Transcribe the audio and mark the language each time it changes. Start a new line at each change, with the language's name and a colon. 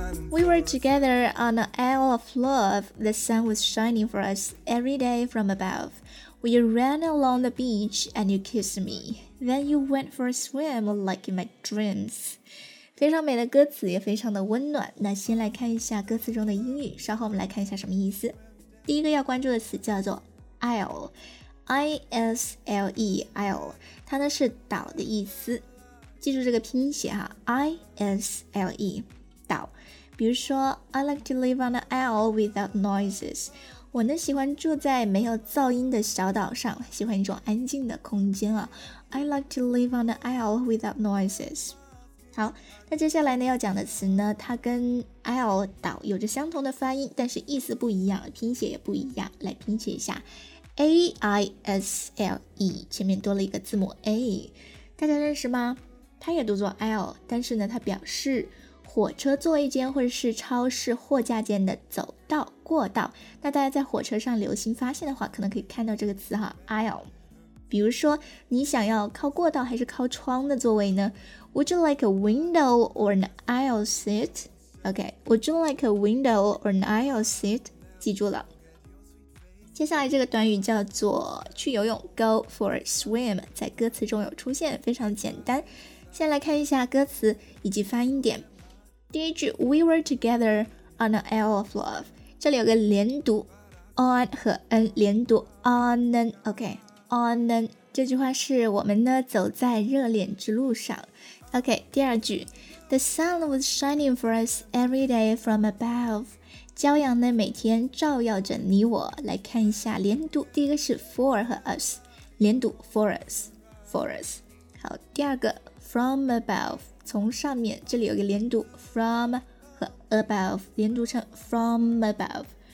English: We were together on an isle of love. The sun was shining for us every day from above. We ran along the beach and you kissed me. Then you went for a swim like in my dreams.
Chinese: 非常美的歌词也非常的温暖。那先来看一下歌词中的英语，稍后我们来看一下什么意思。第一个要关注的词叫做 isle。Isle, 它呢是岛的意思，记住这个拼写哈 ，Isle, 岛。比如说
English: ，I like to live on an isle without noises。
Chinese: 我呢喜欢住在没有噪音的小岛上，喜欢一种安静的空间啊。
English: I like to live on an isle without noises。
Chinese: 好，那接下来呢要讲的词呢，它跟 isle 岛有着相同的发音，但是意思不一样，拼写也不一样，来拼写一下。 Isle 前面多了一个字母 A， 大家认识吗？它也读作 L， 但是呢，它表示火车座位间或者是超市货架间的走道过道。那大家在火车上留心发现的话，可能可以看到这个词哈 ，Isle。比如说，你想要靠过道还是靠窗的座位呢 ？
English: Would you like a window or an aisle seat？ OK， Would you like a window or an aisle seat？
Chinese: 记住了。接下来这个短语叫做去游泳 go for a swim， 在歌词中有出现，非常简单。先来看一下歌词以及发音点。第一句
English: We were together on an isle of love，
Chinese: 这里有个连读 on 和 n 连读 on an OK on an， 这句话是我们呢走在热恋之路上。 OK， 第二句
English: The sun was shining for us every day from above
Chinese: 骄阳呢每天照耀着你我，来看一下连读，第一个是 for 和 us， 连读 for us。好，第二个 from above， 从上面，这里有个连读 from 和 above， 连读成 from above。